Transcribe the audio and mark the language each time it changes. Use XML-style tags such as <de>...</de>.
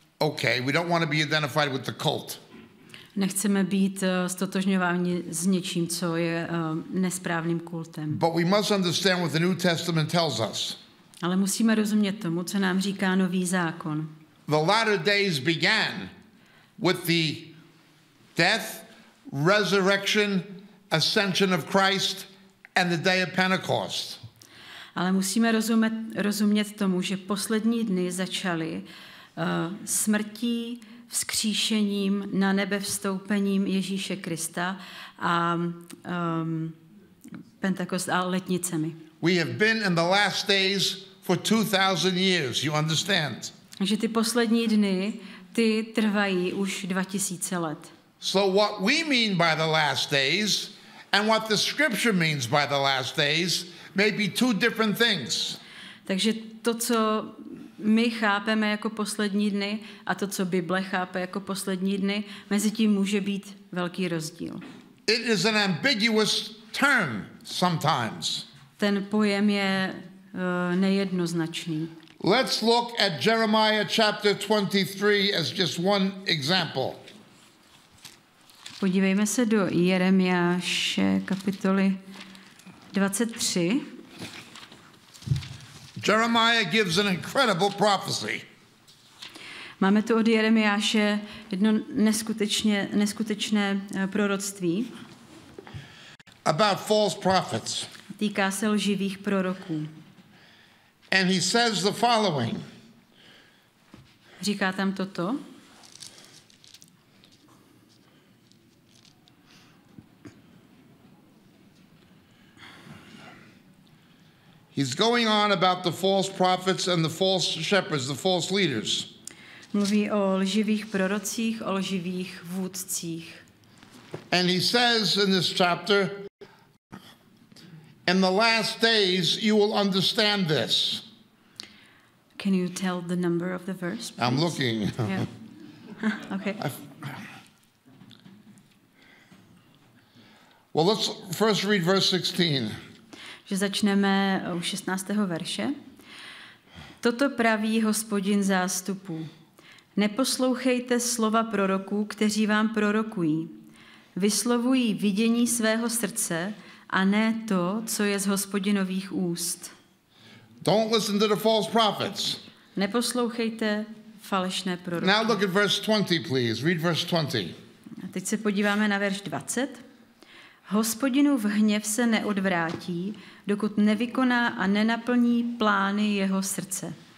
<en>Okay, we don't want to be identified with the cult.</en> <cs>Nechceme být ztotožňováni s něčím, co je nesprávným kultem.</cs> <en>But we must understand what the New Testament tells us.</en> <cs>Ale musíme rozumět tomu, co nám říká Nový zákon.</cs> <en>The latter days began with the death, resurrection, ascension of Christ and the day of Pentecost.</en> <cs>Ale musíme rozumět tomu, že poslední dny začaly smrtí, vzkříšením, na nebe vstoupením Ježíše Krista a Pentecost a letnicemi.</cs> <en>We have been in the last days for 2000 years, you understand?</en> <cs>Že ty poslední dny, ty trvají už 2000 let.</cs> <en>So what we mean by the last days and what the scripture means by the last days may be two different things.</en> <cs>Takže to, co my chápeme jako poslední dny a to, co Bible chápe jako poslední dny, mezi tím může být velký rozdíl.</cs> <en>It is an ambiguous term sometimes.</en> <cs>Ten pojem je nejednoznačný.</cs> <en>Let's look at Jeremiah chapter 23 as just one example.</en> <cs>Podívejme se do Jeremiáše kapitoly 23.</cs> <en>Jeremiah gives an incredible prophecy.</en> <cs>Máme tu od Jeremiáše jedno neskutečné proroctví.</cs> <en>About false prophets.</en> <cs>Týká se lživých proroků.</cs> <en>And he says the following.</en> <cs>Říká tam toto.</cs> <en>He's going on about the false prophets and the false shepherds, the false leaders.</en> <cs>Mluví o lživých prorocích, o lživých vůdcích.</cs> <en>And he says in this chapter, in the last days you will understand this. Can you tell the number of the verse, please? I'm looking. Yeah. Okay. Well, let's first read verse 16.</en> <cs>Že začneme u 16. verše. Toto praví Hospodin zástupů. Neposlouchejte slova proroků, kteří vám prorokují. Vyslovují vidění svého srdce a ne to, co je z Hospodinových úst.</cs> <en>Don't listen to the false prophets.</en> <cs>Neposlouchejte falešné proroky.</cs> <en>Now look at verse 20, please. Read verse 20.</en> <cs>A teď se podíváme na verš 20. Hospodinův hněv se neodvrátí, dokud nevykoná a nenaplní plány jeho srdce.</cs>